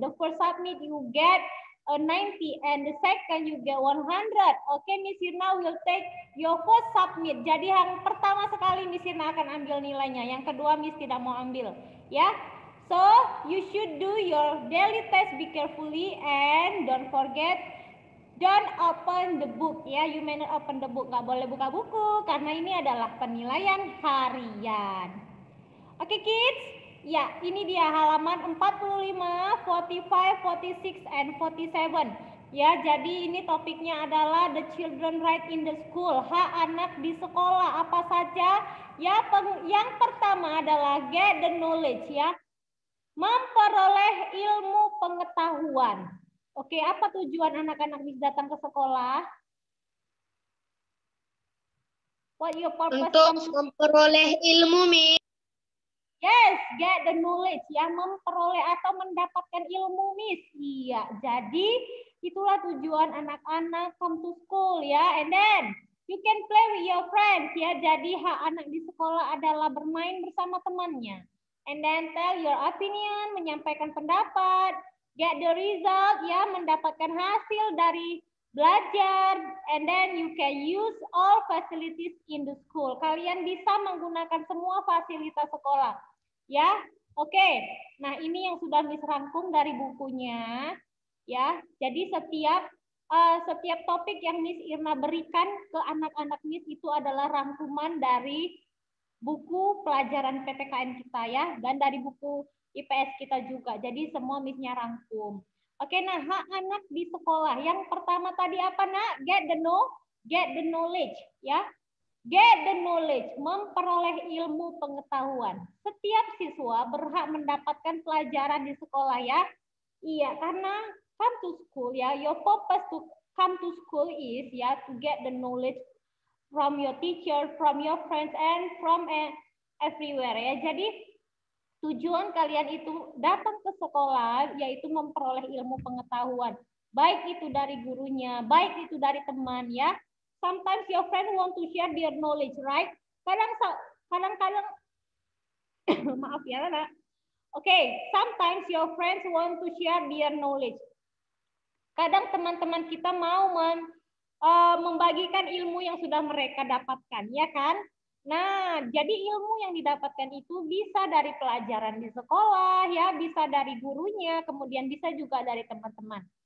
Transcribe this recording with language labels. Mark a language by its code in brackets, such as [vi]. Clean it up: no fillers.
[en] The first submit you get a 90 and the second you get 100. Okay, Miss Irna will take your first submit. [id] Jadi yang pertama sekali Miss Irna akan ambil nilainya, yang kedua Miss tidak mau ambil. Ya, yeah? [en] So you should do your daily test be carefully and don't forget, don't open the book. Ya, yeah? You may not open the book, [id] nggak boleh buka buku karena ini adalah penilaian harian. [en] Okay, kids. [id] Ya, ini dia halaman 45, 45, 46, and 47. Ya, jadi ini topiknya adalah [en] the children right in the school. [id] Hak anak di sekolah apa saja? Ya, yang pertama adalah [en] get the knowledge [id] ya. Memperoleh ilmu pengetahuan. Oke, apa tujuan anak-anak bisa datang ke sekolah? [en] What your purpose? [id] Untuk memperoleh ilmu, Mi. [en] Yes, get the knowledge [id] ya, memperoleh atau mendapatkan ilmu, Miss. Iya, jadi itulah tujuan anak-anak [en] come to school [id] ya. [en] And then you can play with your friends ya. [id] Jadi hak anak di sekolah adalah bermain bersama temannya. [en] And then tell your opinion, [id] menyampaikan pendapat. [en] Get the result [id] ya, mendapatkan hasil dari belajar. [en] And then you can use all facilities in the school. [id] Kalian bisa menggunakan semua fasilitas sekolah. Ya, oke. Okay. Nah, ini yang sudah diserangkum dari bukunya. Ya, jadi setiap topik yang Miss Irna berikan ke anak-anak Miss itu adalah rangkuman dari buku pelajaran PPKN kita ya, dan dari buku IPS kita juga. Jadi semua Missnya rangkum. Oke, okay, nah hak anak di sekolah. Yang pertama tadi apa Nak? [en] Get the knowledge. [id] Ya. [en] Get the knowledge, [id] memperoleh ilmu pengetahuan. Setiap siswa berhak mendapatkan pelajaran di sekolah ya. Iya, karena [en] come to school ya, your purpose to come to school is ya to get the knowledge from your teacher, from your friends and from everywhere ya. [id] Jadi tujuan kalian itu datang ke sekolah yaitu memperoleh ilmu pengetahuan. Baik itu dari gurunya, baik itu dari teman ya. [en] Sometimes your friend want to share their knowledge, right? [id] Kadang-kadang, maaf ya, Nak. [en] Okay, sometimes your friends want to share their knowledge. [id] Kadang teman-teman kita mau membagikan ilmu yang sudah mereka dapatkan, ya kan? Nah, jadi ilmu yang didapatkan itu bisa dari pelajaran di sekolah, ya, bisa dari gurunya, kemudian bisa juga dari teman-teman.